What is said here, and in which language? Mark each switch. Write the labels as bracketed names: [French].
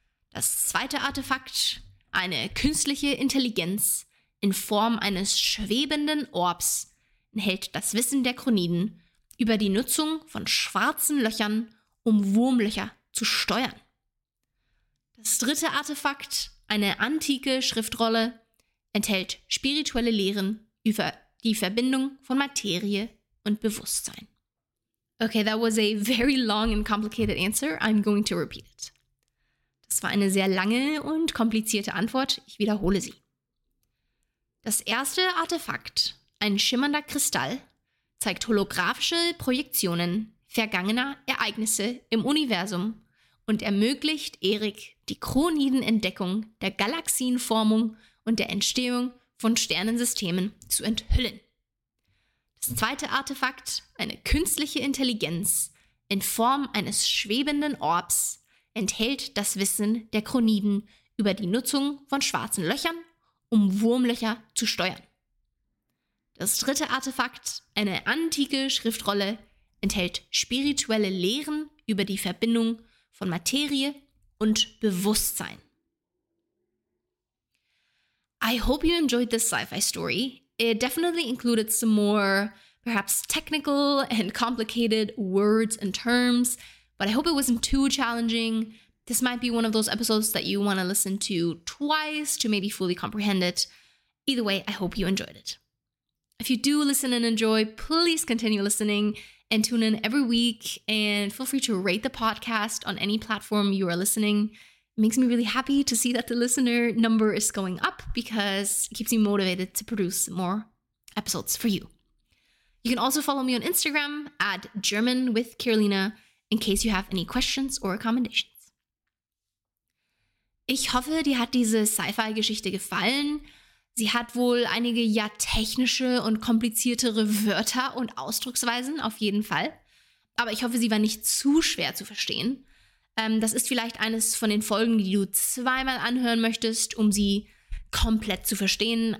[German] Das zweite Artefakt, eine künstliche Intelligenz in Form eines schwebenden Orbs, enthält das Wissen der Kroniden über die Nutzung von schwarzen Löchern, um Wurmlöcher zu steuern. Das dritte Artefakt, eine antike Schriftrolle, enthält spirituelle Lehren über die Verbindung von Materie und Bewusstsein. [English] Okay, that was a very long and complicated answer. I'm going to repeat it. [German] Das war eine sehr lange und komplizierte Antwort. Ich wiederhole sie. Das erste Artefakt, ein schimmernder Kristall, zeigt holographische Projektionen vergangener Ereignisse im Universum und ermöglicht Erik die Kroniden-Entdeckung der Galaxienformung und der Entstehung von Sternensystemen zu enthüllen. Das zweite Artefakt, eine künstliche Intelligenz in Form eines schwebenden Orbs, enthält das Wissen der Kroniden über die Nutzung von schwarzen Löchern, um Wurmlöcher zu steuern. Das dritte Artefakt, eine antike Schriftrolle, enthält spirituelle Lehren über die Verbindung von Materie und Bewusstsein. [English] I hope you enjoyed this sci-fi story. It definitely included some more, perhaps technical and complicated words and terms, but I hope it wasn't too challenging. This might be one of those episodes that you want to listen to twice to maybe fully comprehend it. Either way, I hope you enjoyed it. If you do listen and enjoy, please continue listening and tune in every week and feel free to rate the podcast on any platform you are listening. It makes me really happy to see that the listener number is going up because it keeps me motivated to produce more episodes for you. You can also follow me on Instagram at GermanWithKirlina in case you have any questions or accommodations. [German] Ich hoffe, dir hat diese Sci-Fi-Geschichte gefallen. Sie hat wohl einige ja technische und kompliziertere Wörter und Ausdrucksweisen auf jeden Fall. Aber ich hoffe, sie war nicht zu schwer zu verstehen. Das ist vielleicht eines von den Folgen, die du zweimal anhören möchtest, um sie komplett zu verstehen.